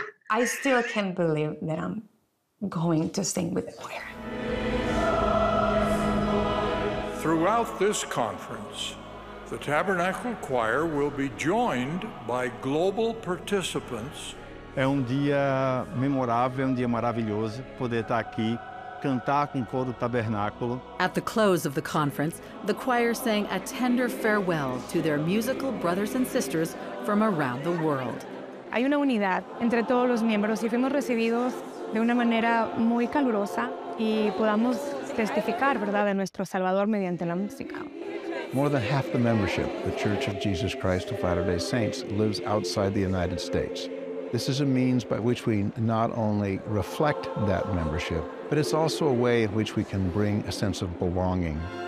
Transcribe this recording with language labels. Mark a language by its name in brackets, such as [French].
[English] I still can't believe that I'm going to sing with the choir. Throughout this conference, the Tabernacle Choir will be joined by global participants. [Portuguese] É um dia memorável, um dia maravilhoso poder estar aqui, cantar com o coro do Tabernáculo. [English] At the close of the conference, the choir sang a tender farewell to their musical brothers and sisters from around the world. [Spanish] Hay una unidad entre todos los miembros y fuimos recibidos de una manera muy calurosa y podamos testificar, ¿verdad?, de nuestro Salvador mediante la música. [English] More than half the membership, the Church of Jesus Christ of Latter-day Saints, lives outside the United States. This is a means by which we not only reflect that membership, but it's also a way in which we can bring a sense of belonging.